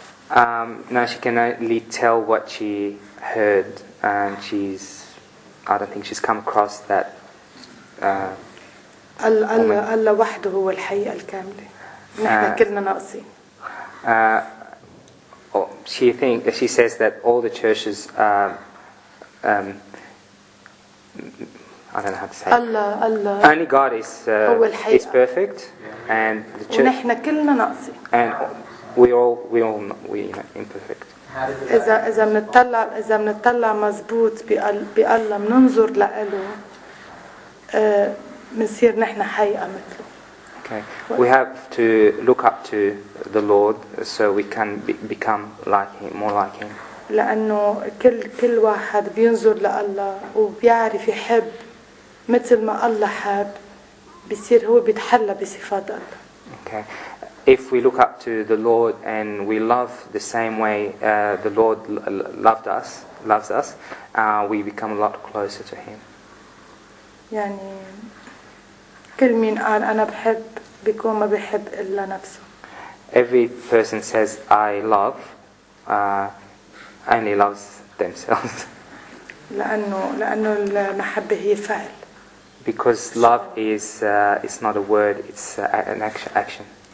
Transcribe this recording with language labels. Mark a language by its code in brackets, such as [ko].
[en] Now she can only tell what she heard, and she's—I don't think she's come across that. [ar] Allah وحده هو الحي الكامل. نحن كلنا ناقصين. [en] She says that all the churches. I don't know how to say. Allah. Only God is perfect, and the church. [ar] نحن كلنا ناقصين. [en] And. We imperfect. [ar] إذا منطلع إذا منطلع مزبوط بالله مننظر لإله منصير نحن حقيقة مثله. [en] Okay. We have to look up to the Lord so we can become like Him, more like Him. [ar] لأنه كل واحد بينظر لإله وبيعرف يحب مثل ما الله حب بيصير هو بيتحلى بصفات الله. [en] Okay. If we look up to the Lord and we love the same way the Lord loves us, we become a lot closer to Him. [ar] يعني كل مين قال أنا بحب بيكون ما بحب إلا نفسه. [en] Every person says I love, only loves themselves. [ar] لأنه المحبة هي فعل. [en] Because love is it's not a word, it's an action.